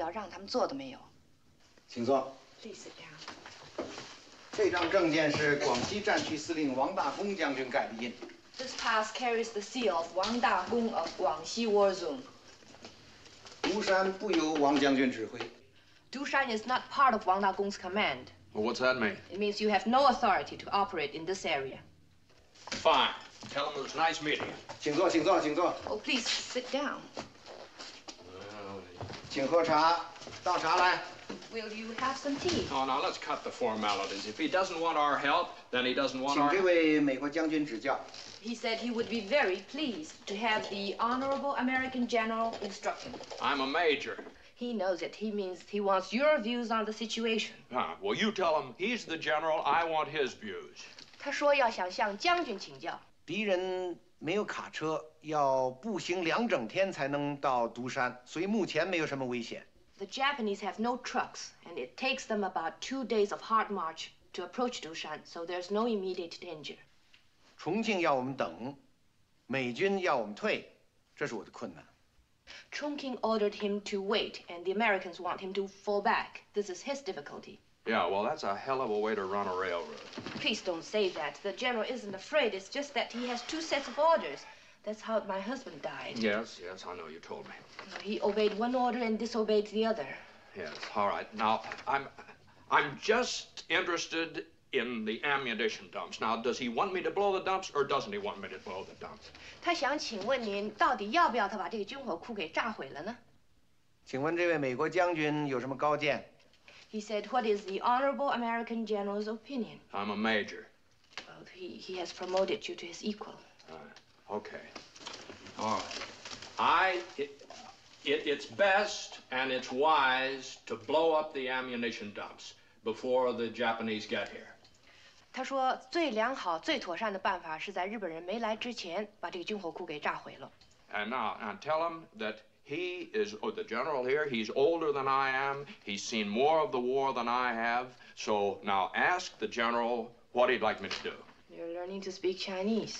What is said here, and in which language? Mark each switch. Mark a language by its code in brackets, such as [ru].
[zh] 他们是由柳州到贵阳去，听说您这儿有一个军火库，日本人要来占据，那么他想请问您有什么工作要让他们做的没有？请坐。 [en] Please sit down. [zh] 这张证件是广西战区司令王大功将军盖的印。 [en] This pass carries the seal of Wang Dagong of Guangxi War Zone. [zh] 独山不由王将军指挥。 [en] Dushan is not part of Wang Dagong's command. Well, what's that mean? It means you have no authority to operate in this area. Fine. Tell him it was nice meeting you. [zh] 请坐。 [en] Oh, please sit down. [zh] 请喝茶。倒茶来。 [en] Will you have some tea? Oh, now, let's cut the formalities. If he doesn't want our help, then he doesn't want our... [zh] 请这位美国将军指教. [en] He said he would be very pleased to have the Honorable American General instruct him. I'm a major. He knows it. He means he wants your views on the situation. Huh. Well, you tell him he's the general, I want his views. [zh] 他说要想向将军请教. 敌人没有卡车, 要步行两整天才能到独山, 所以目前没有什么危险. [en] The Japanese have no trucks, and it takes them about 2 days of hard march to approach Dushan, so there's no immediate danger. [zh] 重庆要我们等, 美军要我们退, 这是我的困难. [en] Chongqing ordered him to wait, and the Americans want him to fall back. This is his difficulty. Yeah, well, that's a hell of a way to run a railroad. Please don't say that. The general isn't afraid. It's just that he has two sets of orders. That's how my husband died. Yes, yes, I know. You told me. He obeyed one order and disobeyed the other. Yes, all right. Now, I'm just interested in the ammunition dumps. Now, does he want me to blow the dumps, or doesn't he want me to blow the dumps? [zh] 他想请问您到底要不要他把这个军火库给炸毁了呢? 请问这位美国将军有什么高见? [en] He said, what is the Honorable American General's opinion? I'm a major. Well, he has promoted you to his equal. Okay. All right. It's best and it's wise to blow up the ammunition dumps before the Japanese get here. [zh] 他说最良好最妥善的办法是在日本人没来之前把这个军火库给炸毁了. [en] And now, tell him that he is, or the general here, he's older than I am, he's seen more of the war than I have, so now ask the general what he'd like me to do. You're learning to speak Chinese.